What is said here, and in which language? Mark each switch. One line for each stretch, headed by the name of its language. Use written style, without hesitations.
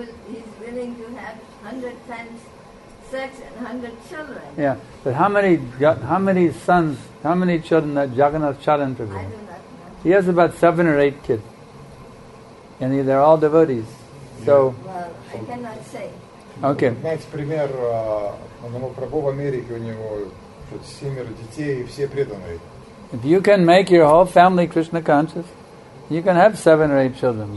English: He's willing to have 100 times sex and 100 children. Yeah, but how many sons? How many children that Jagannath Charan took? I do not know. He has about 7 or 8 kids, and they're all devotees. So. Yeah. Well, I cannot say. Okay.
Russian: Знаете, пример одного Прабху в Америке, у него семеро детей и все преданные.
English: If you can make your whole family Krishna conscious, you can have 7 or 8 children.